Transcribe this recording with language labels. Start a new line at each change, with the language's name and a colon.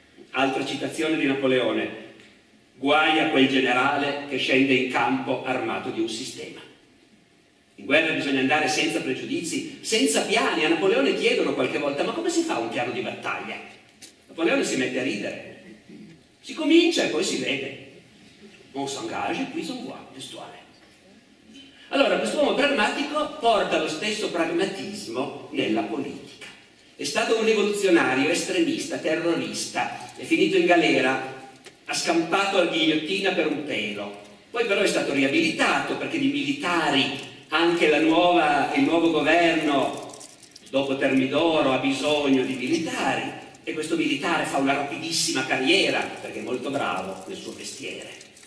Italian: Altra citazione di Napoleone: guai a quel generale che scende in campo armato di un sistema. In guerra bisogna andare senza pregiudizi, senza piani. A Napoleone chiedono qualche volta: ma come si fa un piano di battaglia? Napoleone si mette a ridere. Si comincia e poi si vede.
French: On s'engage, puis on voit, testuale.
Italian: Allora, questo uomo pragmatico porta lo stesso pragmatismo nella politica. È stato un rivoluzionario estremista, terrorista, è finito in galera, ha scampato alla ghigliottina per un pelo, poi però è stato riabilitato perché di militari anche il nuovo governo dopo Termidoro ha bisogno di militari, e questo militare fa una rapidissima carriera perché è molto bravo nel suo mestiere.